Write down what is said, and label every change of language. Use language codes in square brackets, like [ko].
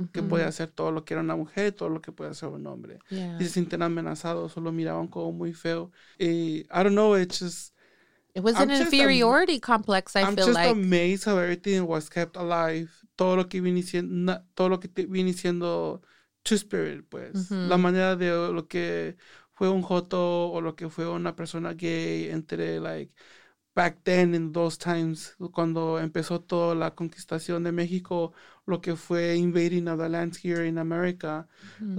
[es] Mm-hmm. Que puede hacer todo lo que era una mujer, todo lo que puede hacer un hombre. [en] Yeah. [es] Y se sienten amenazados, solo miraban como muy feo. [en] Y, I don't know, it's just... It was an inferiority complex, I feel like. I'm just amazed how everything was kept alive. [es] Todo lo que viene siendo Two-Spirit, pues. Mm-hmm. La manera de lo que fue un joto o lo que fue una persona gay entre, [en] like, back then in those times, [es] cuando empezó toda la conquistación de México, lo que fue [en] invading other lands here in America, [es] mm-hmm.